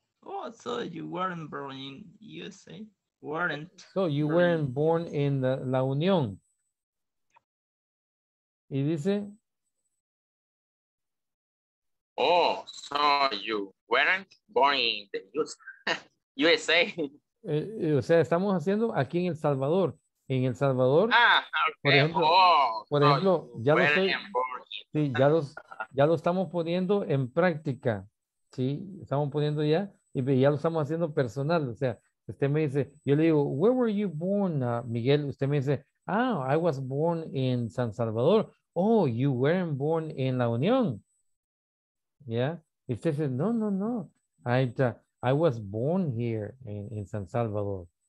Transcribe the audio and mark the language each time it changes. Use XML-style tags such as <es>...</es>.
<en>Oh, so you weren't born in USA. Weren't. So you weren't born in La Unión.</en> <es>Y dice.</es> <en>Oh, so you weren't born in the USA.</en> <es>O sea, estamos haciendo aquí en El Salvador. En El Salvador. Ah, okay. Por ejemplo, ya lo estamos poniendo en práctica. Sí, estamos poniendo ya. Y ya lo estamos haciendo personal. O sea, usted me dice, yo le digo,</es> <en>where were you born,</en> <es>Miguel? Usted me dice, ah,</es> <en>I was born in San Salvador. Oh, you weren't born in La Unión. Yeah.</en> <es>Usted</es> <en>said, no. I was born here in San Salvador.</en>